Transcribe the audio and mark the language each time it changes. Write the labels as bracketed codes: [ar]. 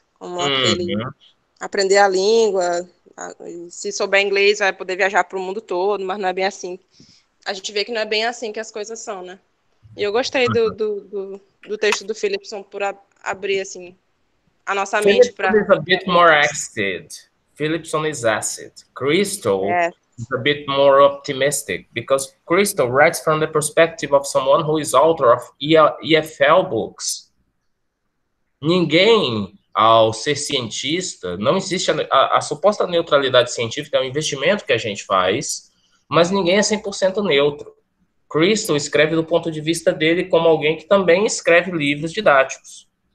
[pt] Como aquele aprender a língua. Se souber inglês, vai poder viajar para o mundo todo, mas não é bem assim. A gente vê que não é bem assim que as coisas são, né? E eu gostei do texto do Philipson por abrir assim, a nossa mente para. [en] A bit more acid. Philipson is acid. Crystal is a bit more optimistic because Crystal writes from the perspective of someone who is author of EFL books. [pt] Ninguém, ao ser cientista, não existe a suposta neutralidade científica, é um investimento que a gente faz, mas ninguém é 100% neutro. Crystal escreve do ponto de vista dele como alguém que também escreve livros didáticos.